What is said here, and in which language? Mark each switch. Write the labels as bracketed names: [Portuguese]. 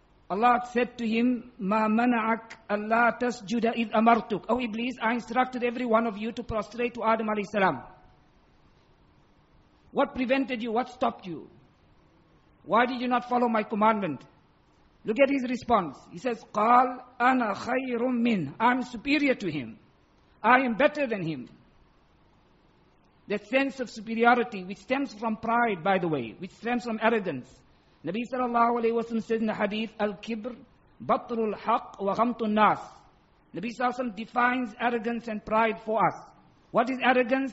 [English] Allah said to him, [Arabic] مَا مَنَعَكْ أَلَّا تَسْجُدَ إِذْ أَمَرْتُكْ. [English] Oh Iblis, I instructed every one of you to prostrate to Adam alayhi salam. What prevented you? What stopped you? Why did you not follow my commandment? Look at his response. He says, [Arabic] قَالْ أَنَا خَيْرٌ مِّنْ. [English] I'm superior to him. I am better than him. That sense of superiority, which stems from pride, by the way, which stems from arrogance. Nabi sallallahu alayhi wa sallam said in the hadith, [Arabic] Al-kibr, batrul haq wa ghamtun nas. [English] Nabi sallallahu alayhi wa sallam defines arrogance and pride for us. What is arrogance?